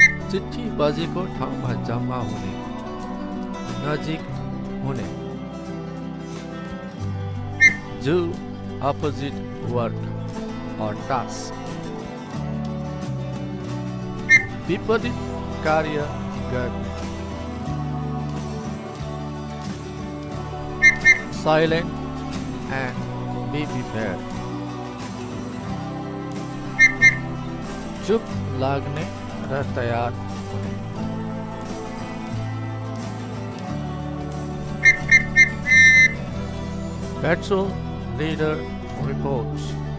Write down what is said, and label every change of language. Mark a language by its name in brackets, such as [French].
[Nepali] चिट्ठी बजेको ठाउँमा जम्मा हुने नजिक हुने [English] Do opposite work or task. [Nepali] विपरीत कार्य गर्ने [English] Silent and be prepared. [Nepali] चुप लाग्ने र तयार हुने [English] Petrol leader reports.